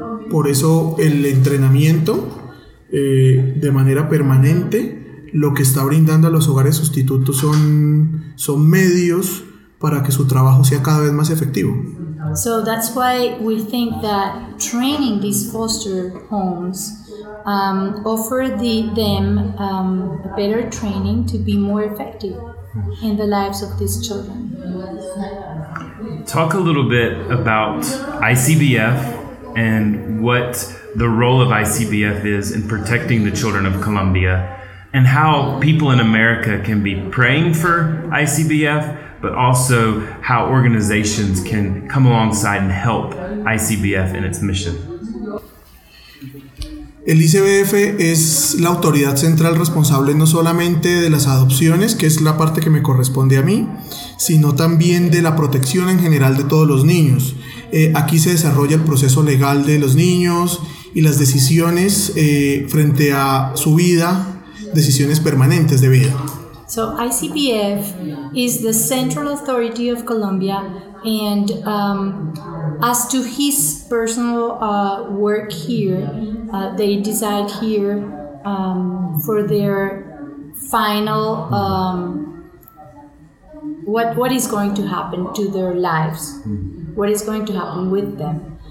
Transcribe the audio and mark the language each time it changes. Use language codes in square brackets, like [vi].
[es] Por eso el entrenamiento de manera permanente, lo que está brindando a los hogares sustitutos son medios para que su trabajo sea cada vez más efectivo. [en] So that's why we think that training these foster homes offer them a better training to be more effective in the lives of these children. Talk a little bit about ICBF and what the role of ICBF is in protecting the children of Colombia, and how people in America can be praying for ICBF, but also how organizations can come alongside and help ICBF in its mission. [es] El ICBF es la autoridad central responsable no solamente de las adopciones, que es la parte que me corresponde a mí, sino también de la protección en general de todos los niños. Aquí se desarrolla el proceso legal de los niños y las decisiones frente a su vida, decisiones permanentes de vida. [en] So ICBF is the central authority of Colombia, and as to his personal work here, they decide here for their final what is going to happen to their lives, what is going to happen with them.